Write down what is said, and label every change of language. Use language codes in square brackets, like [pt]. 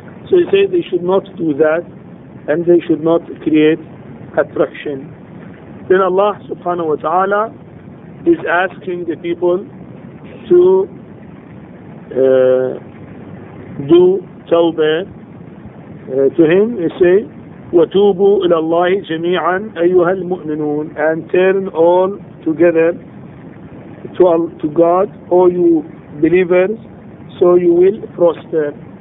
[en] So he says they should not do that, and they should not create attraction. Then Allah subhanahu wa ta'ala is asking the people to do tawbah to him. He says, [ar] وَتُوبُوا إِلَى اللَّهِ جَمِيعًا أَيُّهَا الْمُؤْمِنُونَ. [en] And turn all together to God, all you believers, so you will prosper.